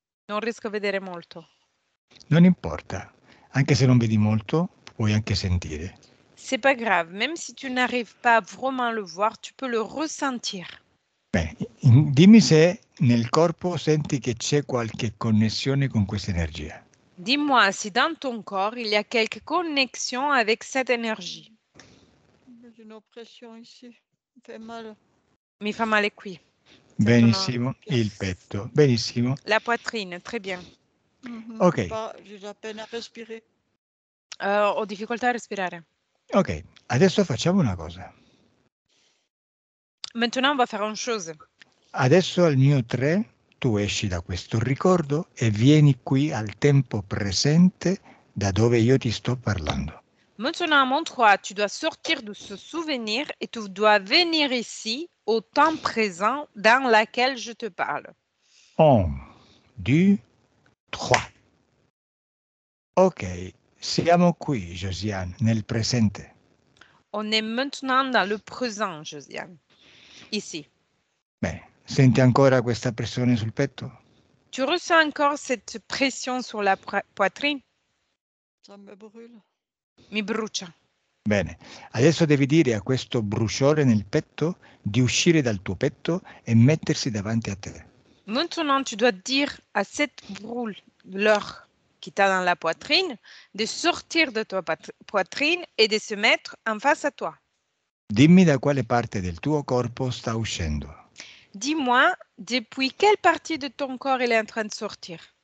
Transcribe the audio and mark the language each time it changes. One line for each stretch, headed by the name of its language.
Italian: Non riesco a vedere molto. Non importa, anche se non vedi molto, puoi anche sentire.
French: C'est pas grave, même si tu n'arrives pas vraiment le voir, tu peux le ressentir.
Italian: Bene, dimmi se nel corpo senti che c'è qualche connessione con questa energia.
French: Dis-moi si dans ton corps il y a quelque connexion avec cette énergie. J'ai une oppression ici,
Italian: mi fa male. Mi fa male qui. Benissimo, il petto, benissimo.
French: La poitrine, très bien. Ok. J'ai appena respiré.
Italian: Ho difficoltà a respirare. Ok, adesso facciamo una cosa.
French: Maintenant on va faire une chose.
Italian: Adesso al mio tre, tu esci da questo ricordo e vieni qui al tempo presente da dove io ti sto parlando.
French: Maintenant à mon trois, tu dois sortir de ce souvenir e tu dois venir ici. Au temps présent dans lequel je te parle. 1, 2, 3. Ok,
Italian: Siamo qui, Josiane, nel presente.
French: On est maintenant dans le présent, Josiane. Ici.
Italian: Beh, senti ancora questa pressione sul petto?
French: Tu ressens encore cette pression sur la poitrine? Ça me brûle.
Italian: Mi brucia. Bene, adesso devi dire a questo bruciore nel petto di uscire dal tuo petto e mettersi davanti a te.
French: Maintenant, tu dois dire à cette brûleur qui t'a dans la poitrine de sortir de tua poitrine et de se mettre en face à toi.
Italian: Dimmi da quale parte del tuo corpo sta uscendo.
French: Dis-moi depuis quelle partie de ton corps il est en train de sortir.